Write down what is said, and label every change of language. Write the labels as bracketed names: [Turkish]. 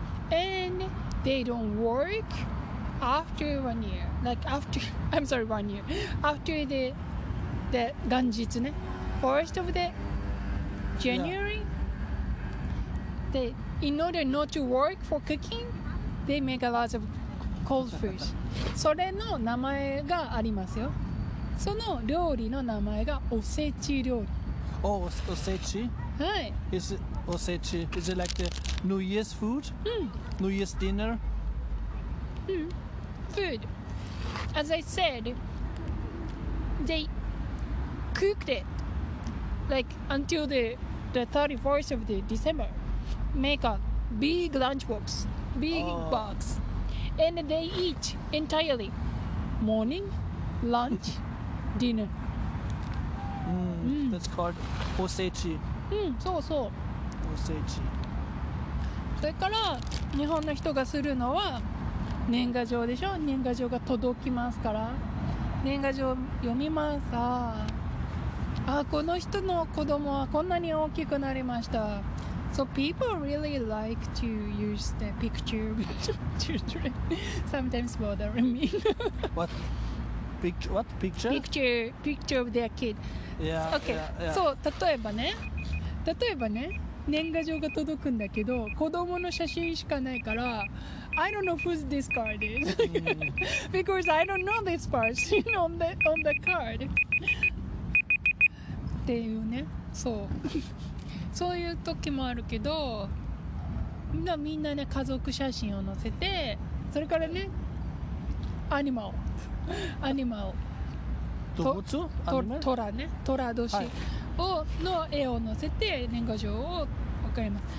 [English] And they don't work after 1 year. Like after, I'm sorry, 1 year. After the Ganjitsu, ne? First of the January. Yeah. They, in order not to work for cooking, they make a lot of cold food. [Japanese] それの名前がありますよ。その料理の名前がおせち料理。 [English] Oh, おせち? [Japanese] はい。 [English] Is it おせち?Is it like the New Year's food? Mm. New Year's dinner? Mm, food. As I said, they cooked it like until the 31st of the December. Make a big lunchbox, big box. And they eat entirely morning, lunch, dinner. That's called osechi. So, so. Osechi. [Japanese] それから日本の人がするのは年賀状でしょ。年賀状が届きますから年賀状読みます。ああこの人の子供はこんなに大きくなりました。 [English] So people really like to use the picture with children. Sometimes bothering me. What? Picture? What picture? Picture, picture of their kid. Yeah, okay. Yeah, yeah. So [Japanese] 例えばね年賀状が届くんだけど子供の写真しかないから [English] I don't know who's this card is. Because I don't know this person on the card. [Japanese] っていうね、そう。そういう時もあるけど、みんなね、家族写真を載せて、それからね、アニマル。アニマル。動物？アニマル？トラね、トラ同士。はいをの絵を載せて年賀状を送ります。